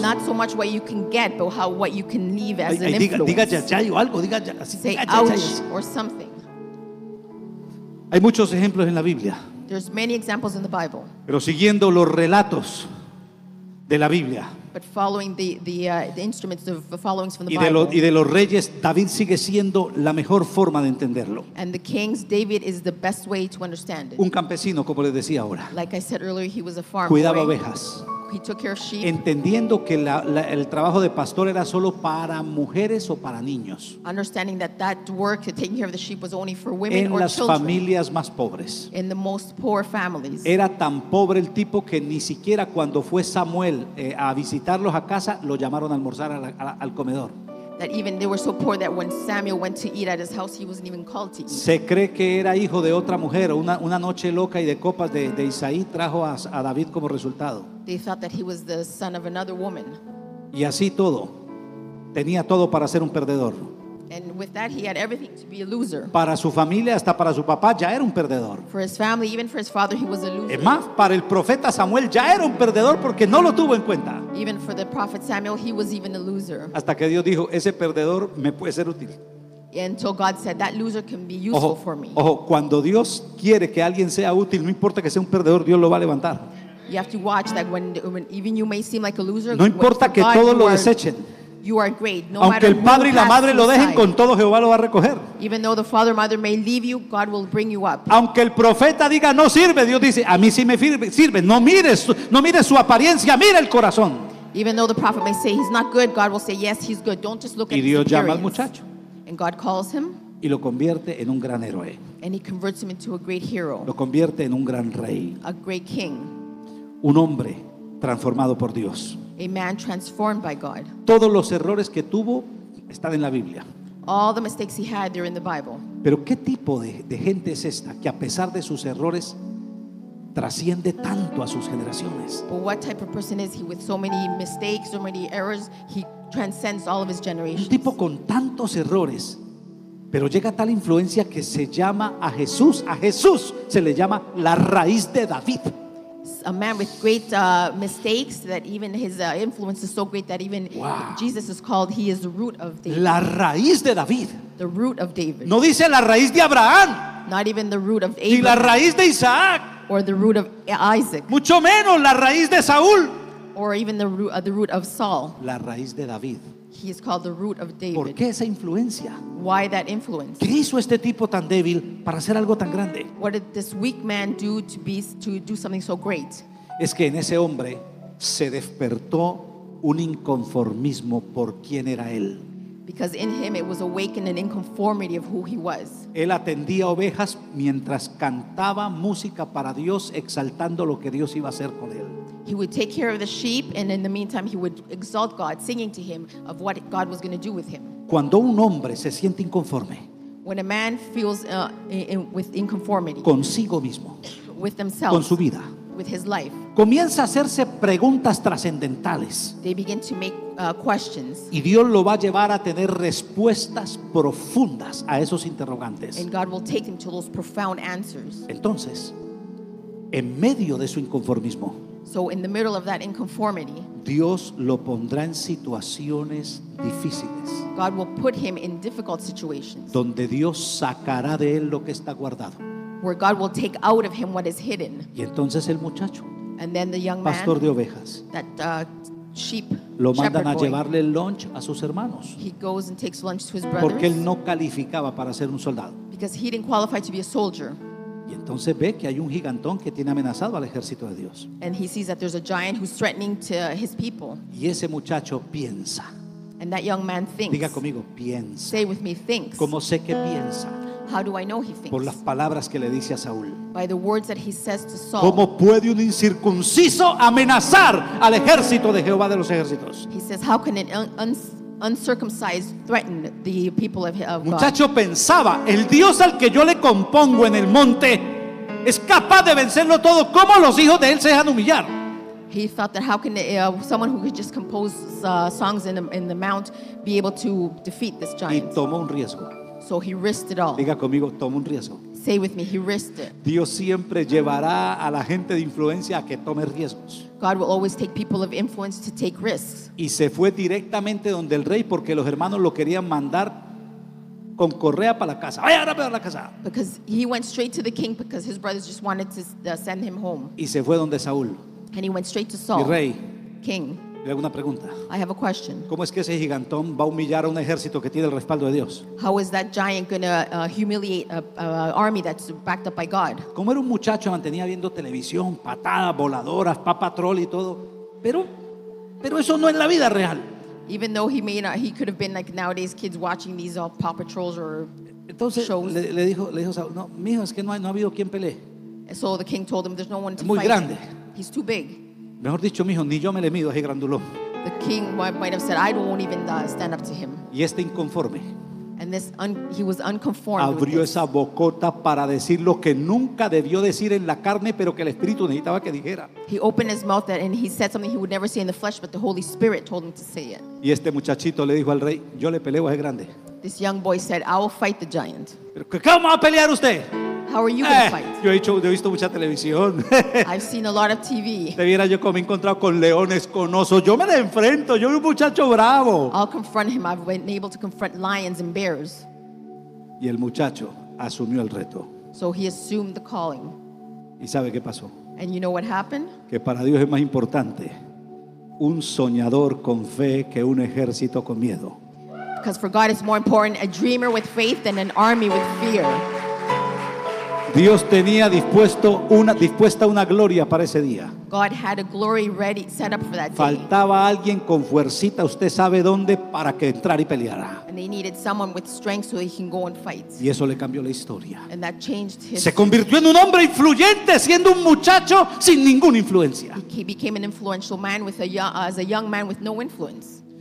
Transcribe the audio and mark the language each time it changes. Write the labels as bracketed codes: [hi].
[en] Not so much what you can get, but how what you can leave as ay, an ay, influence. [es] Diga ya, ya, o algo, diga ya, así, [en] say [es] diga, ya, ouch ya, ya. [en] Or something. [es] Hay muchos ejemplos en la Biblia. [en] There's many examples in the Bible. [es] Pero siguiendo los relatos de la Biblia. [en] But following the instruments of the followings from the [es] y [en] Bible. [es] Y de los reyes, David sigue siendo la mejor forma de entenderlo. [en] And the kings, David is the best way to understand it. [es] Un campesino, como les decía ahora. [en] Like I said earlier, he was a farmer. [es] Cuidaba ovejas. [en] He took care of sheep. [es] Entendiendo que el trabajo de pastor era solo para mujeres o para niños. [en] Understanding that that work, taking care of the sheep, was only for women or [es] children. En las familias más pobres. [en] In the most poor families. [es] Era tan pobre el tipo que ni siquiera cuando fue Samuel a visitarlos a casa lo llamaron a almorzar al comedor. [en] That even they were so poor that when Samuel went to eat at his house, he wasn't even called to eat. [es] Se cree que era hijo de otra mujer. Una noche loca y de copas de Isaí trajo a David como resultado. [en] They thought that he was the son of another woman. [es] Y así todo. Tenía todo para ser un perdedor. [en] And with that, he had everything to be a loser. [es] Para su familia, hasta para su papá, ya era un perdedor. [en] For his family, even for his father, he was a loser. [es] Es más, para el profeta Samuel, ya era un perdedor porque no lo tuvo en cuenta. [en] Even for the prophet Samuel, he was even a loser. [es] Hasta que Dios dijo, ese perdedor me puede ser útil. [en] Until God said, that loser can be useful [es] ojo, [en] for me. [es] Ojo, cuando Dios quiere que alguien sea útil, no importa que sea un perdedor, Dios lo va a levantar. [en] You have to watch that when even you may seem like a loser. [es] No importa que todos lo desechen. [en] You are great. No [es] aunque el padre y la madre lo dejen [en] side. [es] Con todo Jehová lo va a recoger. [en] Even though the father or mother may leave you, God will bring you up. [es] Aunque el profeta diga no sirve, Dios dice, a mí sí me sirve. No mires su apariencia, mira el corazón. [en] Even though the prophet may say he's not good, God will say yes, he's good. Don't just look [es] y [en] at [es] Dios [en] his appearance. [es] Llama al muchacho. [en] And God calls him. [es] Y lo convierte en un gran héroe. [en] And he converts him into a great hero. [es] Lo convierte en un gran rey. [en] A great king. [es] Un hombre transformado por Dios. [en] A man transformed by God. [es] Todos los errores que tuvo están en la Biblia. [en] All the mistakes he had, they're in the Bible. [es] Pero ¿qué tipo de gente es esta que a pesar de sus errores trasciende tanto a sus generaciones? [en] But what type of person is he with so many mistakes, so many errors, he transcends all of his generations? [es] Un tipo con tantos errores, pero llega a tal influencia que se llama a Jesús se le llama la raíz de David. [en] A man with great mistakes that even his influence is so great that even wow. Jesus is called he is the root of David. [es] La raíz de David. [en] The root of David. [es] No dice la raíz de Abraham. [en] Not even the root of Abraham. [es] Ni la raíz de Isaac. [en] Or the root of Isaac. [es] Mucho menos la raíz de Saúl. [en] Or even the root of Saul. [es] La raíz de David. [en] He is called the root of David. [es] ¿Por qué esa influencia? [en] Why that influence? [es] ¿Qué hizo este tipo tan débil para hacer algo tan grande? [en] What did this weak man do to do something so great? [es] Es que en ese hombre se despertó un inconformismo por quién era él. [en] Because in him it was awakened an inconformity of who he was. [es] Él atendía ovejas mientras cantaba música para Dios, exaltando lo que Dios iba a hacer con él. [en] He would take care of the sheep, and in the meantime he would exalt God, singing to him of what God was going to do with him. [es] Cuando un hombre se siente inconforme, [en] when a man feels with inconformity [es] consigo mismo, [en] with himself, [es] con su vida, [en] with his life, [es] comienza a hacerse preguntas trascendentales. [en] They begin to make questions. [es] Y Dios lo va a llevar a tener respuestas profundas a esos interrogantes. [en] And God will take him to those profound answers. [es] Entonces, en medio de su inconformismo, [en] so in the middle of that inconformity, [es] Dios lo pondrá en situaciones difíciles. [en] God will put him in difficult situations. [es] Donde Dios sacará de él lo que está guardado. [en] Where God will take out of him what is hidden. [es] Y entonces el muchacho, [en] and then the young [es] pastor [en] man, [es] de ovejas, [en] that sheep, [es] lo mandan a [en] boy, [es] llevarle el lunch a sus hermanos. [en] He goes and takes lunch to his brothers. [es] Porque él no calificaba para ser un soldado. [en] Because he didn't qualify to be a soldier. [es] Y entonces ve que hay un gigantón que tiene amenazado al ejército de Dios. [en] And he sees that there's a giant who's threatening to his people. [es] Y ese muchacho piensa. [en] And that young man thinks. [es] Diga conmigo, piensa. [en] Say with me, thinks. [es] ¿Cómo sé que piensa? [en] How do I know he thinks? [es] Por las palabras que le dice a Saúl. [en] By the words that he says to Saul. [es] ¿Cómo puede un incircunciso amenazar al ejército de Jehová de los ejércitos? [en] He says, how can an uncircumcised threaten the people of God? [es] Muchacho pensaba, el Dios al que yo le compongo en el monte es capaz de vencerlo todo. ¿Cómo los hijos de él se dejan humillar? [en] He thought that how can someone who could just compose songs in the mount be able to defeat this giant? [es] Y tomó un riesgo. [en] So he risked it all. [es] Diga conmigo, toma un riesgo. [en] Say with me, he risked it. [es] Dios siempre llevará a la gente de influencia a que tome riesgos. [en] God will always take people of influence to take risks. [es] Y se fue directamente donde el rey porque los hermanos lo querían mandar con correa para la casa. Vaya rápido a la casa. [en] Because he went straight to the king because his brothers just wanted to send him home. [es] Y se fue donde Saúl. [en] And he went straight to Saul. [es] Mi rey. [en] King. [es] Le hago una pregunta. [en] I have a question. [es] ¿Cómo es que ese gigantón va a humillar a un ejército que tiene el respaldo de Dios? [en] How is that giant going to humiliate an army that's backed up by God? [es] Como era un muchacho, mantenía viendo televisión, patadas, voladoras, Papa Troll y todo. Pero eso no es la vida real. [en] Even though he could have been like nowadays kids watching these all Paw Patrols or [es] entonces, [en] shows. [es] Le dijo Saul, no, mijo, es que no ha habido quien pelee. [en] So the king told him there's no one to [es] fight. Muy grande. [en] He's too big. [es] Mejor dicho, mijo, ni yo me le mido a ese grandulón. [en] The king might have said, I don't even stand up to him. [es] Y este inconforme. [en] And this he was unconformed. [es] Abrió esa bocota para decir lo que nunca debió decir en la carne, pero que el Espíritu necesitaba que dijera. [en] He opened his mouth and he said something he would never say in the flesh, but the Holy Spirit told him to say it. [es] Y este muchachito le dijo al rey, yo le peleo a ese grande. [en] This young boy said, I will fight the giant. [es] Pero ¿cómo va a pelear usted? [en] How are you going to fight? [es] Yo he visto mucha televisión. [en] I've seen a lot of TV. [es] Te viera yo como me he encontrado con leones, con osos. Yo me le enfrento. Yo soy un muchacho bravo. [en] I'll confront him. I've been able to confront lions and bears. [es] Y el muchacho asumió el reto. [en] So he assumed the calling. [es] ¿Y sabe qué pasó? [en] And you know what happened? [es] Que para Dios es más importante un soñador con fe que un ejército con miedo. [en] Because for God it's more important a dreamer with faith than an army with fear. [es] Dios tenía dispuesta una gloria para ese día. [en] God had a glory ready set up for that day. [es] Faltaba alguien con fuercita, usted sabe dónde, para que entrara y peleara. [en] And they needed someone with strength so he can go and fight. [es] Y eso le cambió la historia. [en] And that changed his. [es] Se convirtió en un hombre influyente, siendo un muchacho sin ninguna influencia. [en] He became an influential man as a young man with no influence.